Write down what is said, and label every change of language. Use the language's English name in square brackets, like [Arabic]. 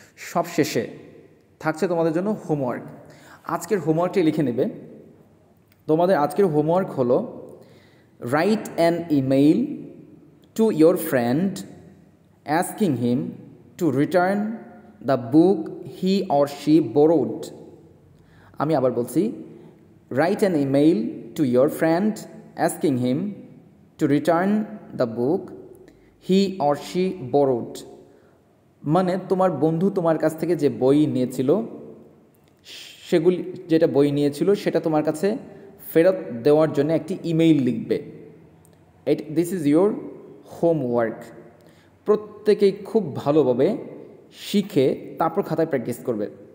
[Bangla] সব শেষে থাকছে তোমাদের জন্য হোমওয়ার্ক. আজকের হোমওয়ার্কটি লিখে নেবে. তোমাদের আজকের হোমওয়ার্ক হলো [English] Write an email to your friend asking him to return the book he or she borrowed. [Bangla] আমি আবার বলছি, [English] write an email to your friend asking him to return the book he or she borrowed. [Bangla] মানে তোমার বন্ধু তোমার কাছ থেকে যে বই নিয়েছিল, সেগুলি যেটা বই নিয়েছিল সেটা তোমার কাছে ফেরত দেওয়ার জন্য একটি ইমেইল লিখবে. [English] This is your homework. [Bangla] প্রত্যেকেই খুব ভালোভাবে শিখে তারপর খাতায় প্র্যাকটিস করবে.